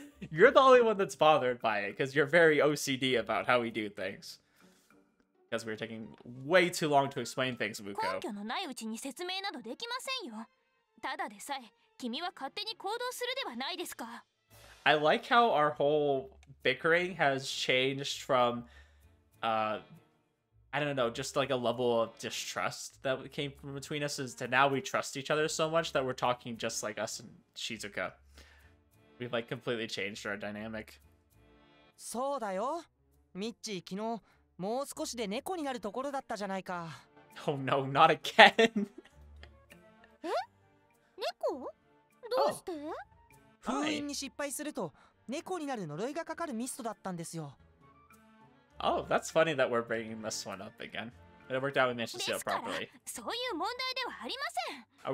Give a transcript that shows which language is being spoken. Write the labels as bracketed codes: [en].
[en] You're the only one that's bothered by it, because you're very OCD about how we do things. because we're taking way too long to explain things, Muko. [ja] 根拠のないうちに説明などできませんよ。ただでさえ君は勝手に行動するではないですか。 [en] I like how our whole bickering has changed from, I don't know, just like a level of distrust that came from between us is to now we trust each other so much that we're talking just like us and Shizuka. We've like completely changed our dynamic. [ja] そうだよ。ミッチー昨日もう少しで猫になるところだったじゃないか。 [en] Oh no, not again. [ja] え?猫?どうして?Oh. 封印に失敗すると猫になる呪いがかかるミストだったんですよ。 [en] Oh, that's funny that we're bringing this one up again. It worked out we managed to steal properly. [ja] そういう問題ではありません。